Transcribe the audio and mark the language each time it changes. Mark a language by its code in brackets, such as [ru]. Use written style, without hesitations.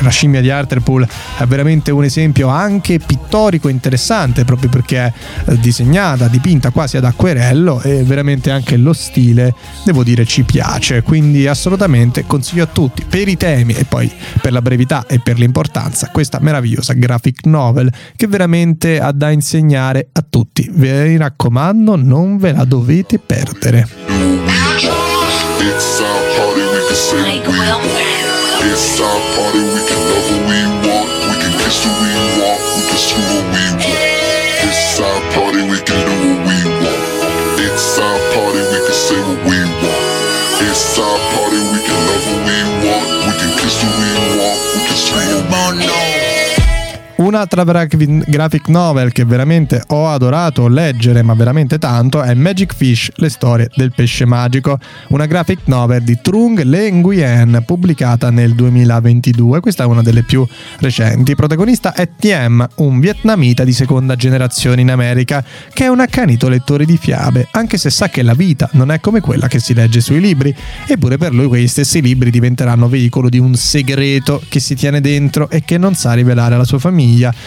[it] La scimmia di Hartlepool è veramente un esempio anche pittorico interessante, proprio perché è disegnata, dipinta quasi ad acquerello, e veramente anche lo stile, devo dire, ci piace. Quindi assolutamente consiglio a tutti, per i temi e poi per la brevità e per l'importanza, questa meravigliosa graphic novel che veramente ha da insegnare a tutti. Vi raccomando, non ve la dovete perdere. [en] It's our party, we can say what we want. It's our party, we can love who we want. We can kiss who we want, we can screw who we want. It's our party, we can do what we want. It's our party, we can say what we want. It's our party, we can love who we want. We can kiss who we want, we can screw who we want. [it] Un'altra graphic novel che veramente ho adorato leggere, ma veramente tanto, è Magic Fish, le storie del pesce magico, una graphic novel di Trung Le Nguyen pubblicata nel 2022, questa è una delle più recenti. Protagonista è Tiem, un vietnamita di seconda generazione in America, che è un accanito lettore di fiabe, anche se sa che la vita non è come quella che si legge sui libri, eppure per lui quei stessi libri diventeranno veicolo di un segreto che si tiene dentro e che non sa rivelare alla sua famiglia.